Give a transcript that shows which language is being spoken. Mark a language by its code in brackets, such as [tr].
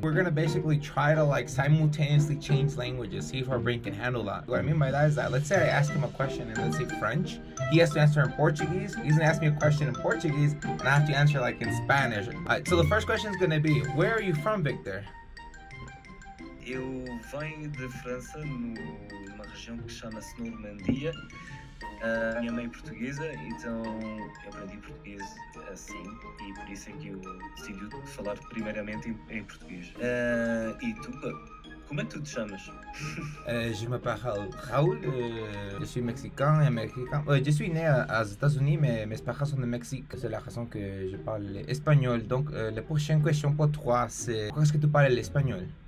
[en] We're gonna basically try to like simultaneously change languages, see if our brain can handle that. What I mean by that is that, let's say I ask him a question in, let's say, French, he has to answer in Portuguese, he's gonna ask me a question in Portuguese, and I have to answer like in Spanish. Alright, so the first question is gonna be, where are you from, Victor? [pt] Eu venho de França, numa região que chama-se Normandia. Minha mãe é portuguesa, então eu aprendi português assim, e por isso é que eu decidi falar primeiramente em português. E tu, como é que tu te chamas? [fr] Je m'appelle Raoul, je suis mexicain et américain. Je suis né aux États-Unis, mais mes parents sont de Mexique. C'est la raison que je parle espagnol. Donc, la prochaine question pour toi, c'est pourquoi est-ce que tu parles l'espagnol?